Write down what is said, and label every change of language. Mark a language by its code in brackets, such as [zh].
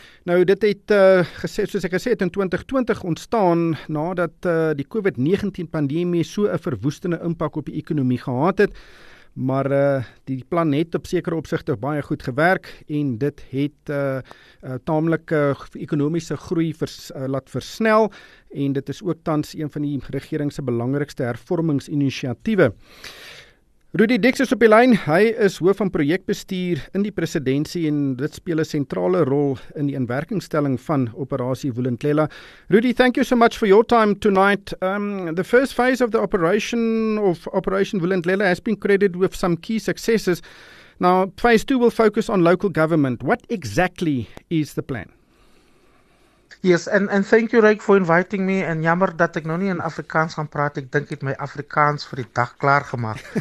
[af] Nou, dit het, soos ek gesê het, in 2020 ontstaan nadat die COVID-19 pandemie so 'n verwoestende impak op die ekonomie gehad het, maar die plan het op sekere opsigte baie goed gewerk en dit het tamelik ekonomiese groei laat versnel en dit is ook tans een van die regering se belangrikste hervormingsinisiatiewe. Rudy Dix is op die lyn, hy is hoof van projekbestuur in die presidentie en dit speel 'n sentrale rol in die inwerkingstelling van operasie Vulindlela. [en] Rudy, thank you so much for your time tonight. The first phase of the operation of Operation Vulindlela has been credited with some key successes. Now, phase two will focus on local government. What exactly is the plan? Yes, and thank you, Rick, for inviting me. [af] And jammer dat ek nou nie in Afrikaans gaan praat. Ek dink ek my Afrikaans vir die dag klaar gemaak.